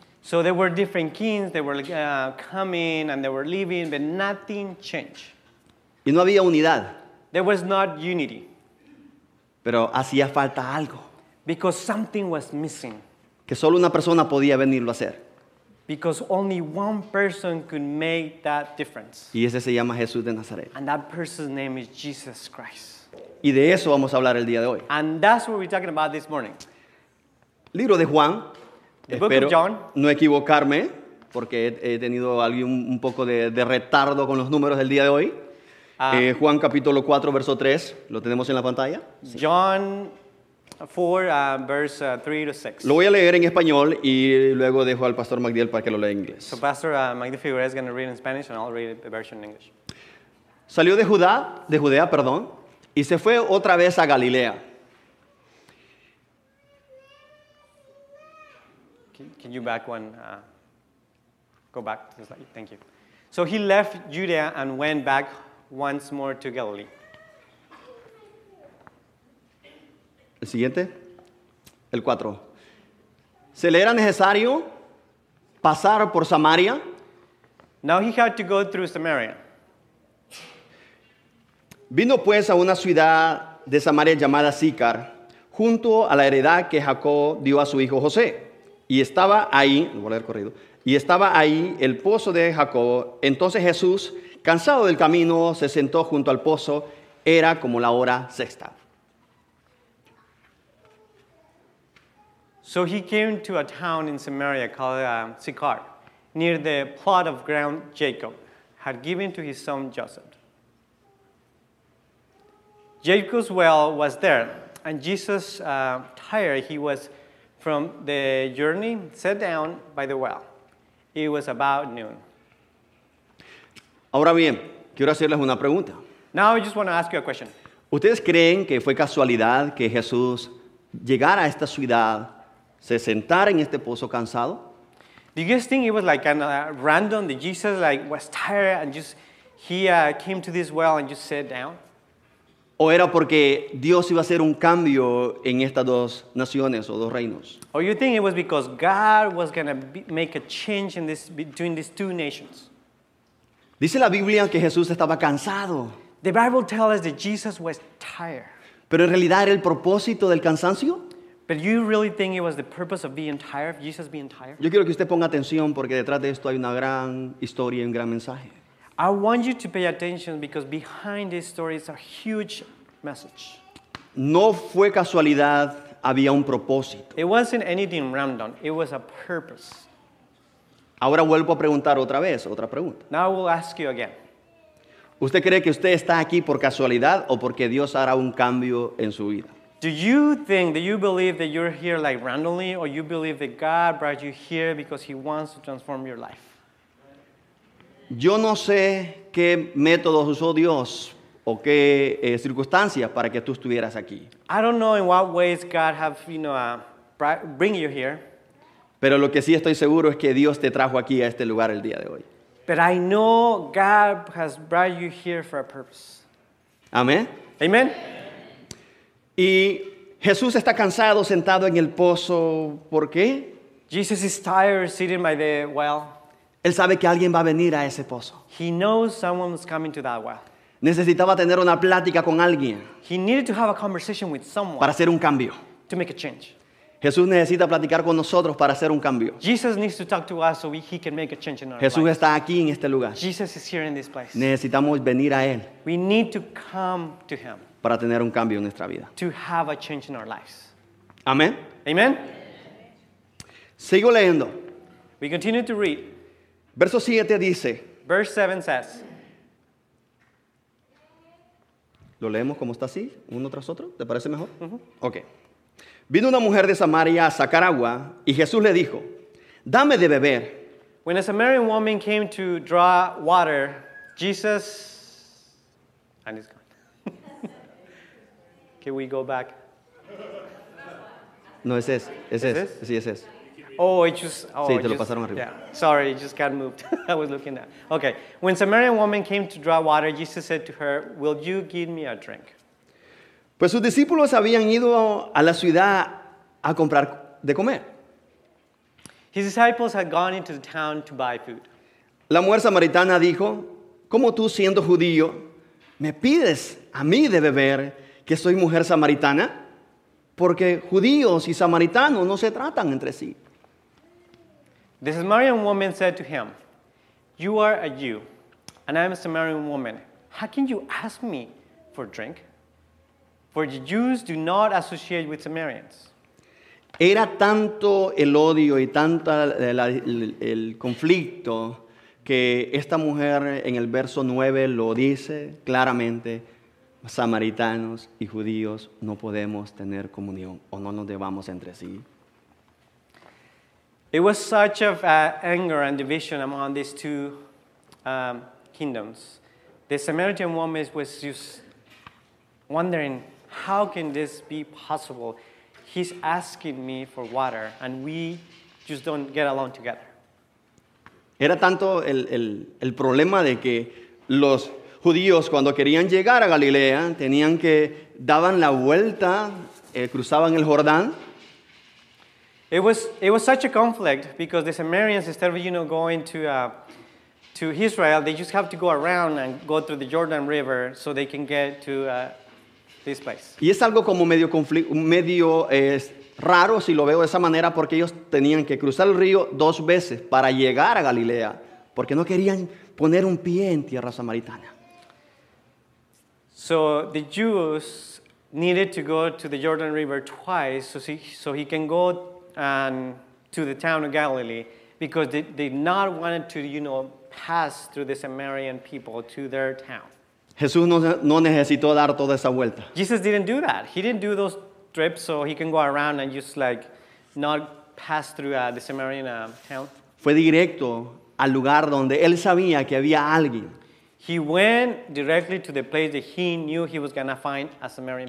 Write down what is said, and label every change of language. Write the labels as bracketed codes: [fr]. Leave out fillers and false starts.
[en] So there were different kings, they were coming and they were leaving, but nothing changed. [es] Y no había unidad. [en] There was not unity. [es] Pero hacía falta algo. [en] Because something was missing. [es] Que solo una persona podía venirlo a hacer. [en] Because only one person could make that difference. [es] Y ese se llama Jesús de Nazaret. [en] And that person's name is Jesus Christ. [es] Y de eso vamos a hablar el día de hoy. [en] And that's what we're talking about this morning. [es] Libro de Juan. [en] The Book of John. [es] No equivocarme, porque he tenido un poco de retardo con los números el día de hoy. Juan capítulo 4, verso 3. ¿Lo tenemos en la pantalla? Sí. [en] John 4, verse 3-6. [es] Lo voy a leer en español y luego dejo al Pastor Magdiel para que lo lea en inglés. [en] So Pastor Magdiel Figueroa is going to read in Spanish and I'll read the version in English. [es] Salió de Judea, y se fue otra vez a Galilea. [en] Can you back one? Go back to the slide. Thank you. So he left Judea and went back once more to Galilee. [es] El siguiente, el 4. Se le era necesario pasar por Samaria. [en] Now he had to go through Samaria. [es] Vino pues a una ciudad de Samaria llamada Sicar, junto a la heredad que Jacob dio a su hijo José. Y estaba ahí, voy a leer corrido, y estaba ahí el pozo de Jacob. Entonces Jesús, cansado del camino, se sentó junto al pozo. Era como la hora sexta. [en] So he came to a town in Samaria called Sychar, near the plot of ground Jacob had given to his son Joseph. Jacob's well was there, and Jesus, tired he was from the journey, sat down by the well. It was about noon. [es] Ahora bien, quiero hacerles una pregunta. [en] Now I just want to ask you a question. [es] ¿Ustedes creen que fue casualidad que Jesús llegara a esta ciudad, se sentara en este pozo cansado? [en] Do you guys think it was like kind of random that Jesus like was tired and just he came to this well and just sat down? [es] ¿O era porque Dios iba a hacer un cambio en estas dos naciones o dos reinos? [en] Or you think it was because God was going to make a change in this between these two nations? [es] Dice la Biblia que Jesús estaba cansado. [en] The Bible tells us that Jesus was tired. [es] ¿Pero en realidad era el propósito del cansancio? [en] But you really think it was the purpose of being tired, of Jesus being tired? [es] Yo quiero que usted ponga atención porque detrás de esto hay una gran historia y un gran mensaje. [en] I want you to pay attention because behind this story is a huge message. [es] No fue casualidad, había un propósito. [en] It wasn't anything random, it was a purpose. [es] Ahora vuelvo a preguntar otra vez, otra pregunta. [en] Now I will ask you again. [es] ¿Usted cree que usted está aquí por casualidad o porque Dios hará un cambio en su vida? [en] Do you think that you believe that you're here like randomly or you believe that God brought you here because he wants to transform your life? [es] Yo no sé qué métodos usó Dios o qué circunstancias para que tú estuvieras aquí. [en] I don't know in what ways God have, you know, bring you here. [es] Pero lo que sí estoy seguro es que Dios te trajo aquí a este lugar el día de hoy. [en] But I know God has brought you here for a purpose. [es] Amén. [en] Amen. [es] Y Jesús está cansado sentado en el pozo, ¿por qué? [en] Jesus is tired sitting by the well. [es] Él sabe que alguien va a venir a ese pozo. [en] He knows someone's coming to that well. [es] Necesitaba tener una plática con alguien. [en] He needed to have a conversation with someone. [es] Para hacer un cambio. [en] To make a change. [es] Jesús necesita platicar con nosotros para hacer un cambio. [en] Jesus needs to talk to us so he can make a change in our lives. [es] Jesús está aquí en este lugar. [en] Jesus is here in this place. [es] Necesitamos venir a él. [en] We need to come to him. [es] Para tener un cambio en nuestra vida. [en] To have a change in our lives. [es] Amén. [en] Amen. [es] Sigo leyendo. [en] We continue to read. [es] Verso 7 dice. [en] Verse 7 says. [es] ¿Lo leemos como está así? ¿Uno tras otro? ¿Te parece mejor? Ok. Vino una mujer de Samaria a sacar agua y Jesús le dijo, dame de beber. [en] When a Samaritan woman came to draw water, Jesus... And it's gone. Can we go back? [es] No, es ese. Es ese. Sí, es ese. [en] Oh, it just... Oh, [es] sí, te lo pasaron arriba. [en] Yeah. Sorry, it just got moved. I was looking at... Okay. When a Samaritan woman came to draw water, Jesus said to her, will you give me a drink? [es] Pues sus discípulos habían ido a la ciudad a comprar de comer. [en] His disciples had gone into the town to buy food. [es] La mujer samaritana dijo, ¿cómo tú, siendo judío, me pides a mí de beber que soy mujer samaritana? Porque judíos y samaritanos no se tratan entre sí. [en] The Samaritan woman said to him, you are a Jew, and I am a Samaritan woman. How can you ask me for drink? For the Jews do not associate with Samaritans. [es] Era tanto el odio y tanto el conflicto que esta mujer en el verso 9 lo dice claramente, samaritanos y judíos no podemos tener comunión o no nos debamos entre sí. [en] It was such of anger and division among these two kingdoms. The Samaritan woman was just wondering, how can this be possible? He's asking me for water, and we just don't get along together. [es] Era tanto el problema de que los judíos, cuando querían llegar a Galilea, tenían que daban la vuelta, cruzaban el Jordán. [en] It was such a conflict because the Samaritans, instead of, you know, going to Israel, they just have to go around and go through the Jordan River so they can get to this place. [es] Y es algo como medio conflicto, medio raro si lo veo de esa manera, porque ellos tenían que cruzar el río dos veces para llegar a Galilea, porque no querían poner un pie en tierra samaritana. [en] So the Jews needed to go to the Jordan River twice so he can go and to the town of Galilee, because they not wanted to, you know, pass through the Samaritan people to their town. [es] Jesús no necesitó dar toda esa vuelta. [en] Jesus didn't do that. He didn't do those trips so he can go around and just like not pass through the Samaritan town. [es] Fue directo al lugar donde él sabía que había alguien. [en] He went directly to the place that he knew he was going to find a Samaritan.